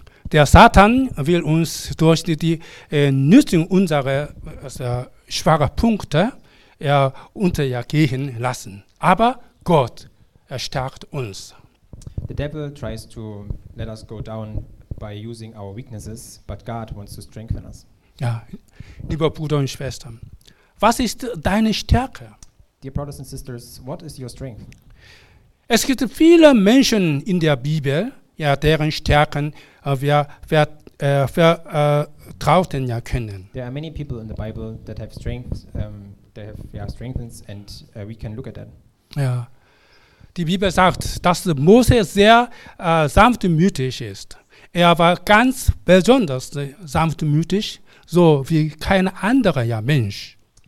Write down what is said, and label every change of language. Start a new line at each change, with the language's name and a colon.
German: Der Satan will uns durch die Nutzung unserer schwachen Punkte untergehen lassen. Aber Gott stärkt uns.
English: The devil tries to let us go down by using our weaknesses, but God wants to strengthen us.
German: Ja, lieber Bruder und Schwester, was ist deine Stärke?
English: Dear brothers and sisters, what is your strength?
German: Es gibt viele Menschen in der Bibel, ja, deren Stärken vertrauten können.
English: There are many people in the Bible that have strength, they have strengthens, and we can look at that.
German: Ja. Die Bibel sagt, dass Mose sehr sanftmütig ist. Er war ganz besonders sanftmütig, so wie kein anderer Mensch.